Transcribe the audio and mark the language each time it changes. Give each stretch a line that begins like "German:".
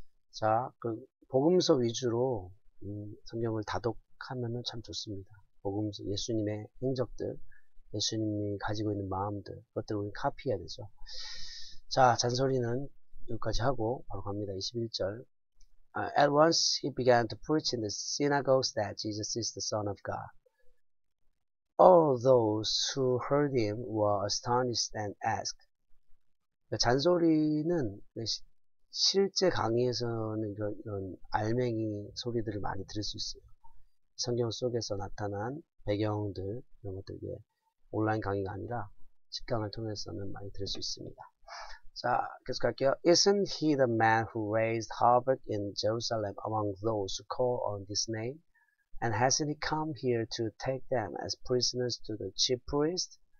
Korean: 자, 그 복음서 위주로 성경을 다독하면 참 좋습니다. 복음서, 예수님의 행적들, 예수님이 가지고 있는 마음들, 그것들을 우리 카피해야 되죠. 자, 잔소리는 여기까지 하고 바로 갑니다. 21절.
English: At once he began to preach in the synagogues that Jesus is the Son of God. All those who heard him were astonished and asked.
Korean: 잔소리는 실제 강의에서는 이런 알맹이 소리들을 많이 들을 수 있어요. 성경 속에서 나타난 배경들, 이런 것들, 이게 온라인 강의가 아니라 직강을 통해서는 많이 들을 수 있습니다. 자, 계속 갈게요.
English: Isn't he the man who raised havoc in Jerusalem among those who call on this name? And hasn't he come here to take them as prisoners to the chief priest?